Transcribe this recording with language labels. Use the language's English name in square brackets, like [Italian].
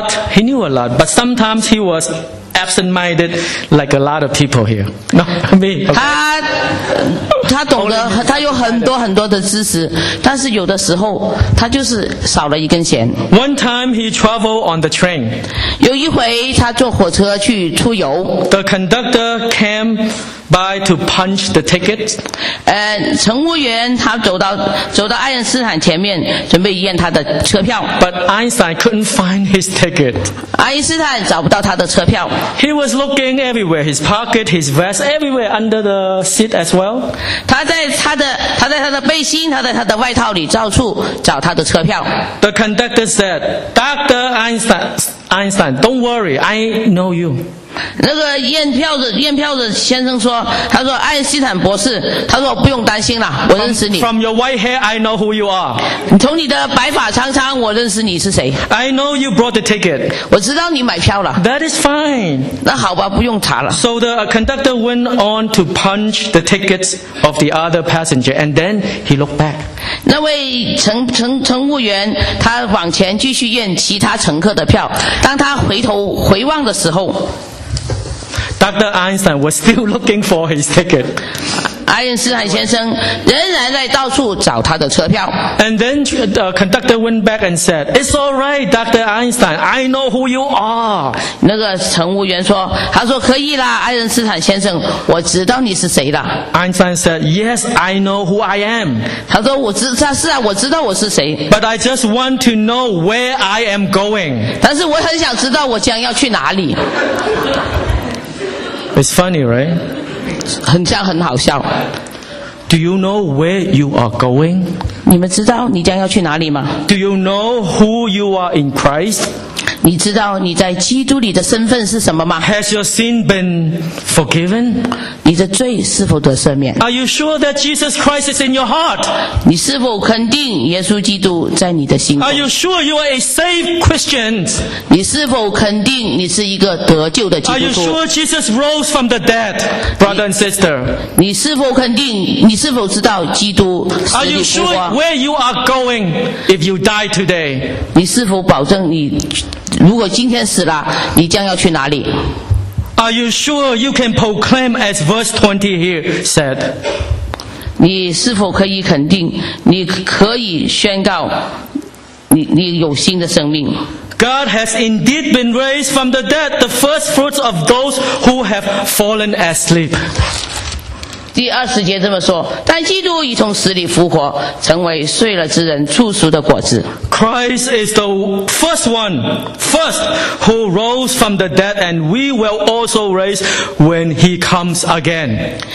[English] He knew a lot, but sometimes he was absent-minded like a lot of people here. No, me. Okay. [Chinese] 他懂得，他有很多很多的知识，但是有的时候他就是少了一根弦。 [English] One time he traveled on the train. [Chinese] 有一回他坐火车去出游。 [English] The conductor came by to punch the ticket. [Chinese] 乘务员他走到爱因斯坦前面，准备验他的车票。 [English] But Einstein couldn't find his ticket. [Chinese] 爱因斯坦找不到他的车票。 [English] He was looking everywhere, his pocket, his vest, everywhere under the seat as well. [Chinese] 他在他的背心，他在他的外套里到处找他的车票。 [English] The conductor said, Dr. Einstein, don't worry, I know you. [Chinese] 那个验票的先生说，他说爱因斯坦博士，他说不用担心了，我认识你。 [English] From your white hair, I know who you are. [Chinese] 从你的白发苍苍，我认识你是谁。 [English] I know you brought the ticket. [Chinese] 我知道你买票了。 [English] That is fine. [Chinese] 那好吧，不用查了。 [English] So the conductor went on to punch the tickets of the other passenger, and then he looked back. [Chinese] 那位乘务员他往前继续验其他乘客的票，当他回头回望的时候， [English] Dr. Einstein was still looking for his ticket. [Chinese] 爱因斯坦先生仍然在到处找他的车票。 [English] And then the conductor went back and said, It's alright, Dr. Einstein, I know who you are. [Chinese] 那个乘务员说，他说可以啦，爱因斯坦先生，我知道你是谁了。 [English] Einstein said, Yes, I know who I am. [Chinese] 他说我知道我是谁。 [English] But I just want to know where I am going. [Chinese] 但是我很想知道我将要去哪里。 [English] It's funny, right? [Chinese] 很像很好笑。 [English] Do you know where you are going? [Chinese] 你们知道你将要去哪里吗? [English] Do you know who you are in Christ? [Chinese] 你知道你在基督里的身份是什么吗? [English] Has your sin been forgiven? [Chinese] 你的罪是否得赦免? [English] Are you sure that Jesus Christ is in your heart? [Chinese] 你是否肯定耶稣基督在你的心中? [English] Are you sure you are a saved Christian? [Chinese] 你是否肯定你是一个得救的基督徒? [English] Are you sure Jesus rose from the dead, brother and sister? [Chinese] 你是否肯定你是否知道基督死里复活? [English] Are you sure where you are going if you die today? [Chinese] 你是否保证你如果今天死了你将要去哪里? [English] Are you sure you can proclaim as verse 20 here said? [Chinese] 你是否可以肯定你可以宣告 你有新的生命? [English] God has indeed been raised from the dead, the first fruits of those who have fallen asleep. [Chinese] 第二十节这么说但基督已从死里复活成为睡了之人初熟的果子 [English] Christ is the first one first who rose from the dead and we will also raise when he comes again